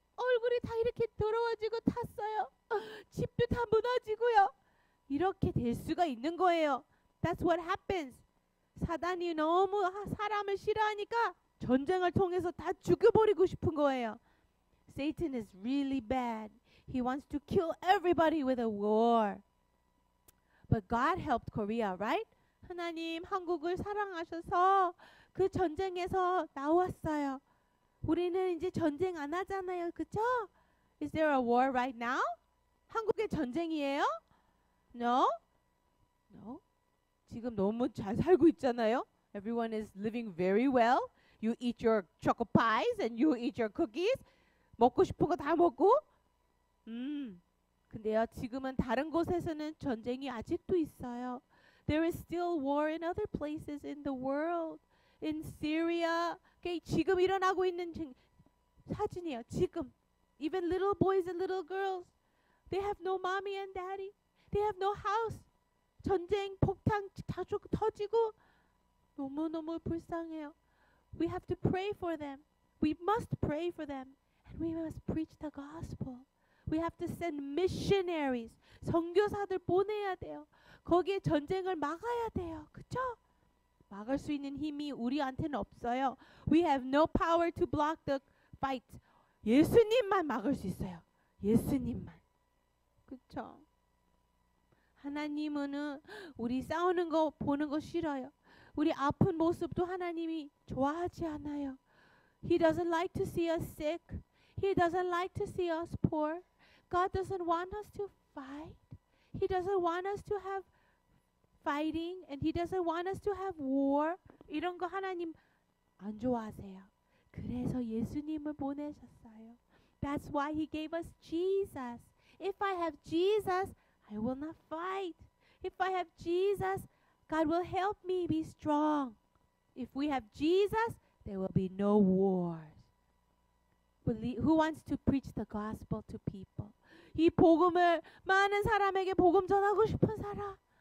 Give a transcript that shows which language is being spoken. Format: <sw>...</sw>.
<ko>얼굴이 다 이렇게 더러워지고 탔어요. 집도 다 무너지고요. 이렇게 될 수가 있는 거예요.</ko> <en>That's what happens.</en> <ko>사단이 너무 사람을 싫어하니까 전쟁을 통해서 다 죽여버리고 싶은 거예요.</ko> <en>Satan is really bad. He wants to kill everybody with a war. But God helped Korea, right?</en> <ko>하나님 한국을 사랑하셔서 그 전쟁에서 나왔어요. 우리는 이제 전쟁 안 하잖아요, 그쵸?</ko> <en>Is there a war right now?</en> <ko>한국에 전쟁이에요?</ko> <en>No? No?</en> <ko>지금 너무 잘 살고 있잖아요?</ko> <en>Everyone is living very well. You eat your choco pies and you eat your cookies.</en> <ko>먹고 싶은 거 다 먹고. 근데요, 지금은 다른 곳에서는 전쟁이 아직도 있어요.</ko> <en>There is still war in other places in the world. In Syria.</en> <ko>지금 일어나고 있는 사진이에요. 지금.</ko> <en>Even little boys and little girls, they have no mommy and daddy. They have no house.</en> <ko>전쟁, 폭탄 다 터지고 너무너무 불쌍해요.</ko> <en>We have to pray for them. We must pray for them. And we must preach the gospel. We have to send missionaries.</en> <ko>선교사들 보내야 돼요. 거기에 전쟁을 막아야 돼요. 그쵸? 막을 수 있는 힘이 우리한테는 없어요.</ko> <en>We have no power to block the fight.</en> <ko>예수님만 막을 수 있어요. 예수님만. 그쵸? 하나님은 우리 싸우는 거 보는 거 싫어요. 우리 아픈 모습도 하나님이 좋아하지 않아요.</ko> <en>He doesn't like to see us sick. He doesn't like to see us poor. God doesn't want us to fight. He doesn't want us to have fighting and he doesn't want us to have war.</en> <ko>이런 거 하나님 안 좋아하세요. 그래서 예수님을 보내셨어요.</ko> <en>That's why he gave us Jesus. If I have Jesus, I will not fight. If I have Jesus, God will help me be strong. If we have Jesus, there will be no wars. Who wants to preach the gospel to people?</en> <ko>이 복음을 많은 사람에게 복음 전하고 싶은 사람.</ko>